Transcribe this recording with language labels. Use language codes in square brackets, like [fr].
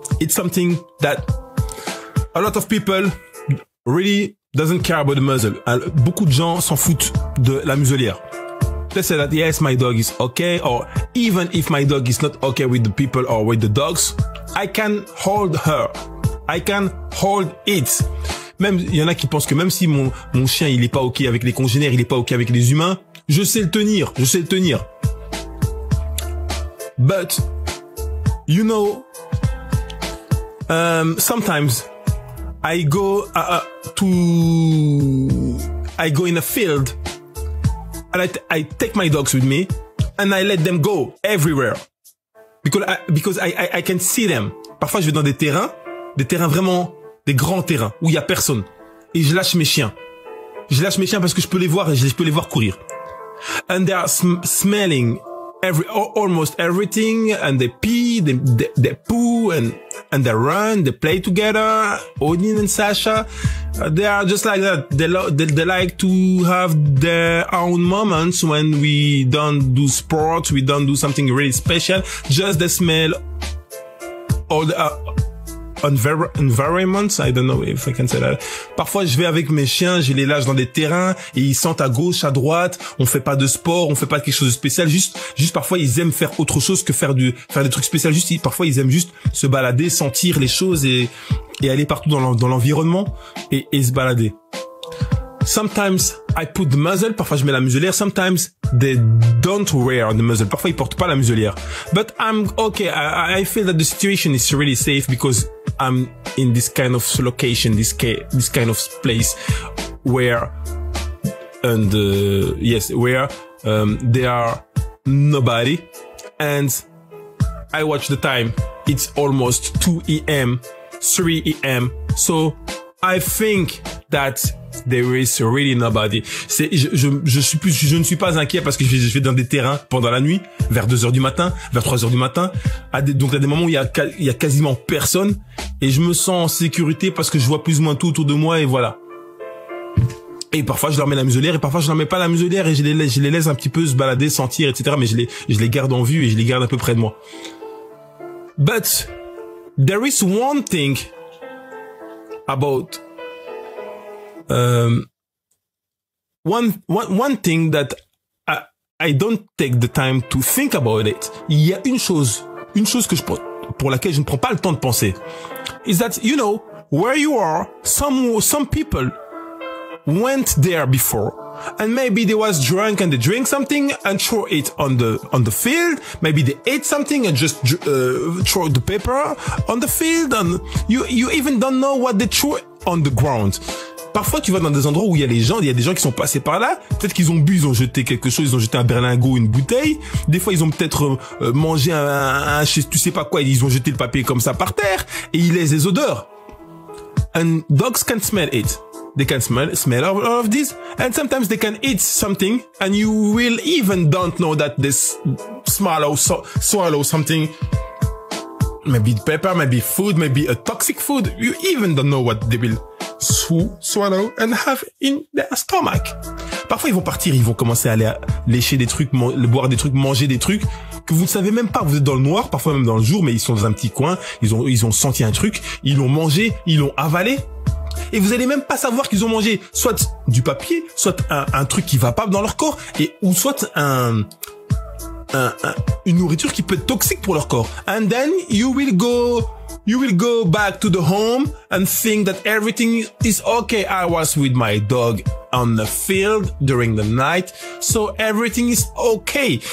[en] It's something that a lot of people really doesn't care about the muzzle. [fr] Beaucoup de gens s'en foutent de la muselière. [en] They say that, yes, my dog is okay, or even if my dog is not okay with the people or with the dogs, I can hold her. I can hold it. [fr] Même, il y en a qui pensent que même si mon chien, il est pas okay avec les congénères, il est pas okay avec les humains, je sais le tenir. Je sais le tenir. [en] But, you know, sometimes I go I go in a field and I take my dogs with me and I let them go everywhere because I can see them. [fr] Parfois je vais dans des terrains vraiment des grands terrains où il y a personne et je lâche mes chiens parce que je peux les voir et je peux les voir courir [en] and they are smelling almost everything, and they pee, they poo, and they run, they play together. Odin and Sasha, they are just like that. They like to have their own moments when we don't do sports, we don't do something really special. Just the smell, all the environments. I don't know if I can say that. [fr] Parfois, je vais avec mes chiens, je les lâche dans des terrains, et ils sentent à gauche, à droite, on fait pas de sport, on fait pas quelque chose de spécial, juste parfois, ils aiment faire autre chose que faire des trucs spéciaux, juste, parfois, ils aiment juste se balader, sentir les choses et aller partout dans l'environnement et se balader. [en] Sometimes, I put the muzzle, [fr] parfois, je mets la muselière, [en] sometimes, they don't wear the muzzle, [fr] parfois, ils portent pas la muselière. [en] But I'm okay, I feel that the situation is really safe because I'm in this kind of location, this kind of place where, and, yes, where, there are nobody. And I watch the time. It's almost 2 a.m., 3 a.m. So I think that there is really nobody. [fr] Je ne suis pas inquiet parce que je vais dans des terrains pendant la nuit, vers 2 heures du matin, vers 3 heures du matin. Donc, il y a des moments où il y a quasiment personne. Et je me sens en sécurité parce que je vois plus ou moins tout autour de moi et voilà. Et parfois je leur mets la muselière et parfois je leur mets pas la muselière et je les laisse un petit peu se balader, sentir, etc. Mais je les garde en vue et je les garde à peu près de moi. [en] But there is one thing about one thing that I don't take the time to think about it. [fr] Il y a une chose que je pour laquelle je ne prends pas le temps de penser. [en] Is that, you know, where you are, some people went there before, and maybe they was drunk and they drink something and throw it on the field. Maybe they ate something and just throw the paper on the field, and you even don't know what they threw on the ground. [fr] Parfois, tu vas dans des endroits où il y a des gens qui sont passés par là. Peut-être qu'ils ont bu, ils ont jeté quelque chose, ils ont jeté un berlingot, une bouteille. Des fois, ils ont peut-être mangé tu sais pas quoi, ils ont jeté le papier comme ça par terre et ils laissent des odeurs. [en] And dogs can smell it. They can smell all of this. And sometimes they can eat something and you will even don't know that they swallow something. Maybe pepper, maybe food, maybe a toxic food. You even don't know what they will swallow and have in their stomach. [fr] Parfois, ils vont partir, ils vont commencer à aller lécher des trucs, boire des trucs, manger des trucs que vous ne savez même pas. Vous êtes dans le noir, parfois même dans le jour, mais ils sont dans un petit coin, ils ont senti un truc, ils l'ont mangé, ils l'ont avalé. Et vous allez même pas savoir qu'ils ont mangé soit du papier, soit un truc qui va pas dans leur corps et ou soit une nourriture qui peut être toxique pour leur corps. [en] And then you will go back to the home and think that everything is okay. I was with my dog on the field during the night, so everything is okay.